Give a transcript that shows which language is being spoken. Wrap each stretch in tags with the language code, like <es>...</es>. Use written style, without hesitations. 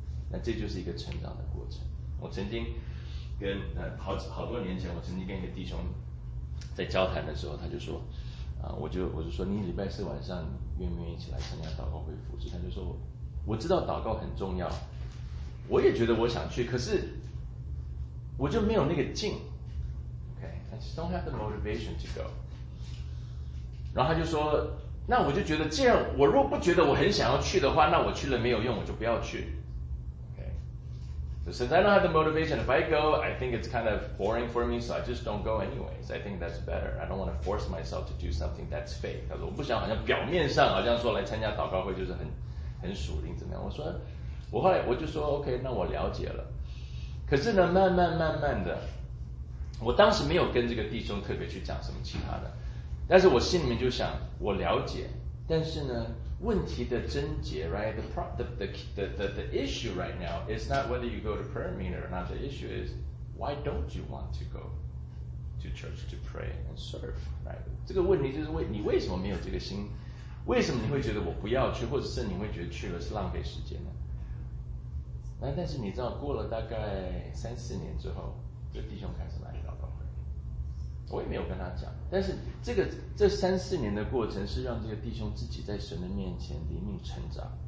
<zh>那这就是一个成长的过程。我曾经跟好多年前，我曾经跟一个弟兄在交谈的时候，他就说我就说你礼拜四晚上愿不愿意起来参加祷告会服事？他就说我知道祷告很重要，我也觉得我想去，可是我就没有那个劲。</zh> <en>Okay, I just don't have the motivation to go.</en> <zh>然后他就说，那我就觉得既然我若不觉得我很想要去的话，那我去了没有用，我就不要去。</zh> <en>So since I don't have the motivation, if I go, I think it's kind of boring for me, so I just don't go anyways. I think that's better. I don't want to force myself to do something that's fake.</en> <zh>他说，我不想好像表面上好像说来参加祷告会就是很属灵怎么样。我说，我后来我就说 OK, 那我了解了。可是呢，慢慢慢慢的，我当时没有跟这个弟兄特别去讲什么其他的，但是我心里面就想，我了解，但是呢问题的症结 right?</zh> <en>The issue right now is not whether you go to prayer meeting or not. The issue is why don't you want to go to church to pray and serve, right?</en> <zh>这个问题就是你为什么没有这个心，为什么你会觉得我不要去，或者是你会觉得去了是浪费时间呢？那但是你知道过了大概三四年之后，这弟兄开始来祷告会，我也没有跟他讲，但是这三四年的过程是让这个弟兄自己在神的面前灵命成长。</zh>